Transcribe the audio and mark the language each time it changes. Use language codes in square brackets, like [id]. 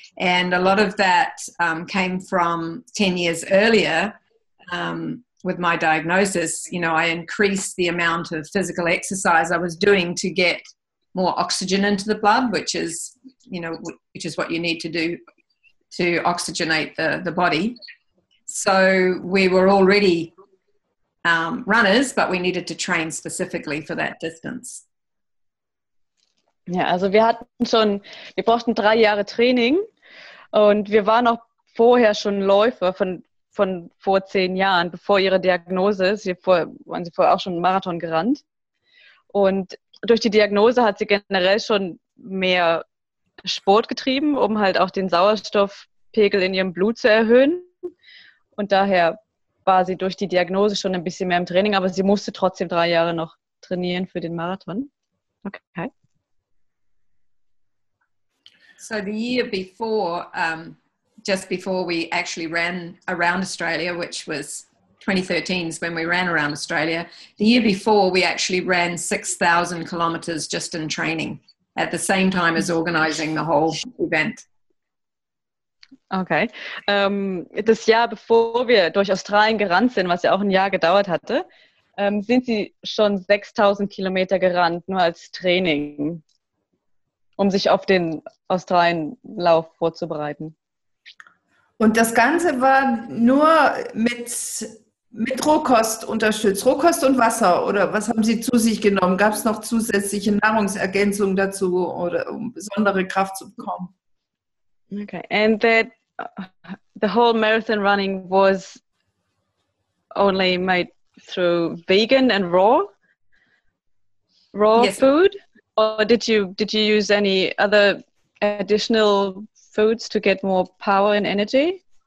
[en] And a lot of that came from 10 years earlier with my diagnosis. You know, I increased the amount of physical exercise I was doing to get more oxygen into the blood, which is, you know, which is what you need to do to oxygenate the body. So we were already runners, but we needed to train specifically for that distance. [de] Ja, also wir hatten schon, wir brauchten 3 Jahre Training und wir waren auch vorher schon Läufer von vor 10 Jahren, bevor ihre Diagnose ist. Waren sie vorher auch schon einen Marathon gerannt. Und durch die Diagnose hat sie generell schon mehr Sport getrieben, um halt auch den Sauerstoffpegel in ihrem Blut zu erhöhen. Und daher war sie durch die Diagnose schon ein bisschen mehr im Training, aber sie musste trotzdem 3 Jahre noch trainieren für den Marathon. [en] Okay. So the year before, just before we actually ran around Australia, which was 2013 is when we ran around Australia, the year before we actually ran 6,000 kilometers just in training at the same time as organizing the whole event. Okay. [de] Das Jahr bevor wir durch Australien gerannt sind, was ja auch ein Jahr gedauert hatte, sind sie schon 6,000 Kilometer gerannt, nur als Training, um sich auf den Australienlauf vorzubereiten. Und das Ganze war nur mit Rohkost unterstützt. Rohkost und Wasser, oder was haben Sie zu sich genommen? Gab es noch zusätzliche Nahrungsergänzungen dazu, oder um besondere Kraft zu bekommen? [en] Okay, and that the whole marathon running was only made through vegan and raw yes. food? Or did you use any other additional foods to get more power and energy?